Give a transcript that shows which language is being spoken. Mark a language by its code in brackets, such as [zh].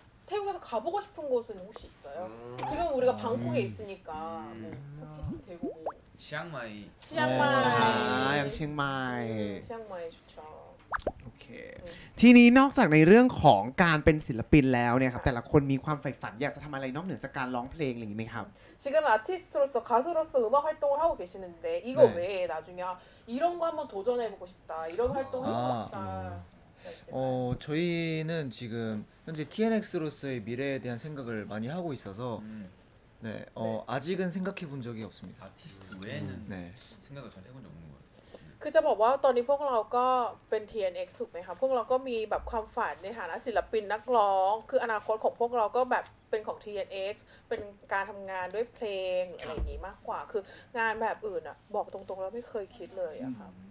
[ko] 태국에서가보고싶은곳은혹시있어요지금우리가방콕에있으니까태국 치앙마이 치앙마이 아치앙마이 치앙마이좋죠 [th] โอเคทีนี้นอกจากในเรื่องของการเป็นศิลปินแล้วเนี่ยครับแต่ละคนมีความใฝ่ฝันอยากจะทำอะไรนอกเหนือจากการร้องเพลงอะไรอย่างนี้ครับ [ko] 지금아티스트로서가수로서음악활동을하고계시는데이거외에나중에이런거한번도전해보고싶다이런활동해보고싶다 어저희는지금현재 TNX 로서의미래에대한생각을많이하고있어서네어네아직은생각해본적이없습니다 아티스트외에는네생각을전해본적없는것같아요 [th] คือจะบอกว่าตอนนี้พวกเราก็เป็น TNX ถูกไหมคะพวกเราก็มีแบบความฝันในฐานะศิลปินนักร้องคืออนาคตของพวกเราก็แบบเป็นของ TNX เป็นการทำงานด้วยเพลงอะไรอย่างนี้มากกว่าคืองานแบบอื่นอะบอกตรงๆแล้วไม่เคยคิดเลยอะค่ะ